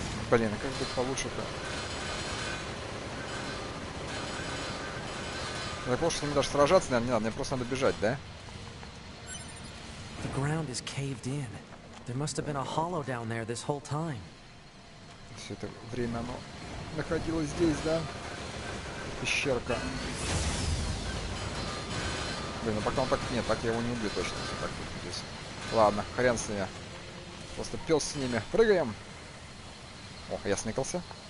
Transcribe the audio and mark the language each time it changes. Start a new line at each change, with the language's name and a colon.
Russian: Блин, а как быть получше-то? Так вот, что мне даже сражаться, наверное, не надо, мне просто надо бежать, да?
English: The ground is caved in. There must have been a hollow down there this whole time.
Russian: Все это время оно находилось здесь, да? Пещерка. Блин, ну пока он так. Нет, так я его не убью точно, если так будет здесь. Ладно, хрен с ними. Просто пес с ними. Прыгаем! О, я сникался.